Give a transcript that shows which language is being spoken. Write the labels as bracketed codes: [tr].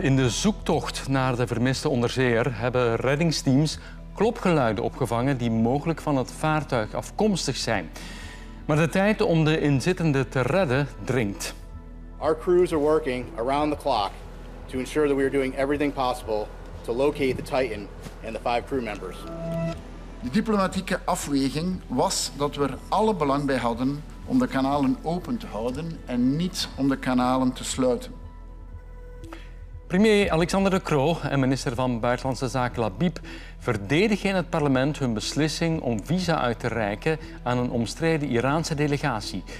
[nl] In de zoektocht naar de vermiste onderzeeër hebben reddingsteams klopgeluiden opgevangen die mogelijk van het vaartuig afkomstig zijn. Maar de tijd om de inzittenden te redden dringt. [en] Our crews are working around the clock to ensure that we are doing everything possible to locate the Titan and the 5 crew members. [nl] De diplomatieke afweging was dat we er alle belang bij hadden om de kanalen open te houden en niet om de kanalen te sluiten. Premier Alexander De Croo en minister van Buitenlandse Zaken Labib verdedigen in het parlement hun beslissing om visa uit te reiken aan een omstreden Iraanse delegatie.